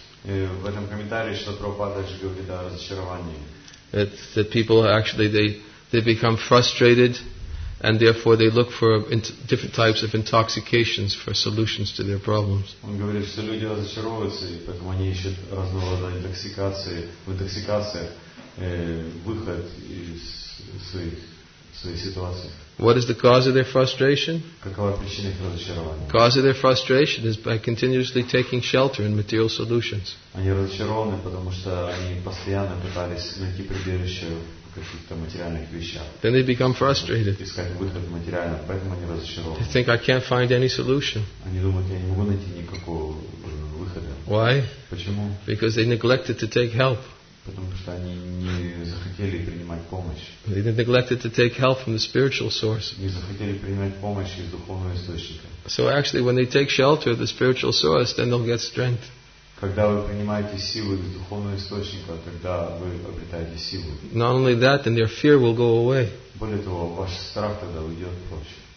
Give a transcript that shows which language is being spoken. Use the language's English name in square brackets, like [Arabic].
[Russian] В этом комментарии Шрила Прабхупада также говорит о разочаровании. [English] That people actually they become frustrated, and therefore they look for different types of intoxications for solutions to their problems. [Russian] Он говорит, что люди разочаровываются, и поэтому они ищут разного рода интоксикации, в интоксикациях выход из своей ситуации. [English] What is the cause of their frustration? [Russian] Какова причина их разочарования? [English] Cause of their frustration is by continuously taking shelter in material solutions. [Russian] Они разочарованы, потому что они постоянно пытались найти прибежище в каких-то материальных вещах. [English] Then they become frustrated. [Russian] Искать выход в материальном, поэтому они разочарованы. [English] They think, I can't find any solution. [Russian] Они думают, я не могу найти никакого выхода. [English] Why? [Russian] Почему? [English] Because they neglected to take help. [Russian] потому что они не захотели принимать помощь. [English] They neglected to take help from the spiritual source. [Russian] Не захотели принимать помощь из духовного источника. [English] So actually, when they take shelter of the spiritual source, then they'll get strength. [Russian] Когда вы принимаете силу из духовного источника, тогда вы обретаете силу. [English] Not only that, then their fear will go away. [Russian] Более того, ваш страх тогда уйдет прочь.